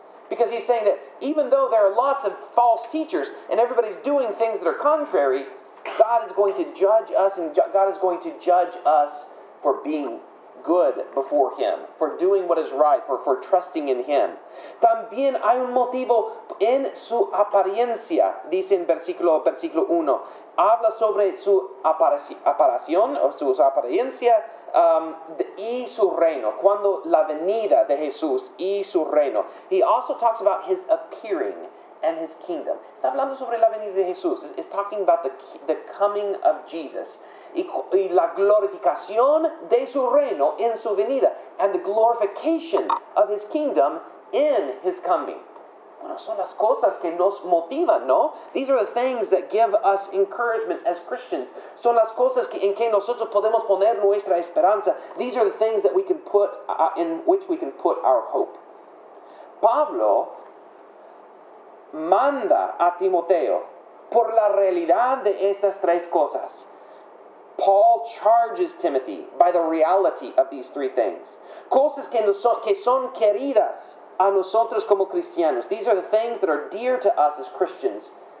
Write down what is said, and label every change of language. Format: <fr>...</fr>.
<en>Because he's saying that even though there are lots of false teachers and everybody's doing things that are contrary, God is going to judge us and God is going to judge us for being good before him, for doing what is right, for trusting in him.</en> <es>También hay un motivo en su apariencia, dice en versículo 1. Habla sobre su aparición, o su apariencia, y su reino, cuando la venida de Jesús y su reino.</es> <en>He also talks about his appearing and his kingdom.</en> <es>Está hablando sobre la venida de Jesús.</es> <en>It's talking about the coming of Jesus.</en> <es>Y la glorificación de su reino en su venida.</es> <en>And the glorification of his kingdom in his coming.</en> <es>Bueno, son las cosas que nos motivan, ¿no?</es> <en>These are the things that give us encouragement as Christians.</en> <es>Son las cosas que, en que nosotros podemos poner nuestra esperanza.</es> <en>These are the things that we can put, in which we can put our hope.</en> <es>Pablo manda a Timoteo por la realidad de estas tres cosas.</es> <en>Paul charges Timothy by the reality of these three things.</en> <es>Cosas que son queridas a nosotros como cristianos.</es> <en>These are the things that are dear to us as Christians.</en>